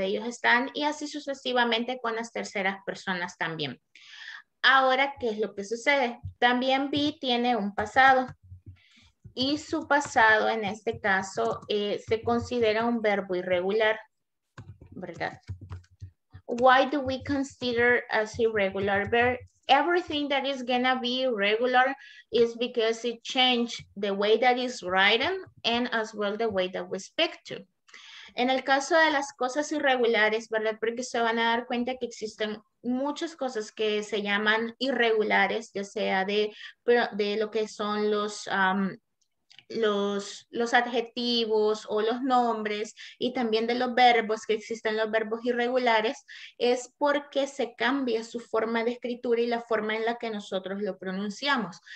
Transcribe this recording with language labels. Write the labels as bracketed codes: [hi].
[es] Ellos están, y así sucesivamente con las terceras personas también. Ahora, ¿qué es lo que sucede? También B tiene un pasado. Y su pasado, en este caso, se considera un verbo irregular, ¿verdad? [en] Why do we consider as irregular verb? Everything that is gonna be irregular is because it changed the way that is written and as well the way that we speak to. [es] En el caso de las cosas irregulares, ¿verdad? Porque se van a dar cuenta que existen muchas cosas que se llaman irregulares, ya sea de lo que son los adjetivos o los nombres y también de los verbos, que existen los verbos irregulares, es porque se cambia su forma de escritura y la forma en la que nosotros lo pronunciamos.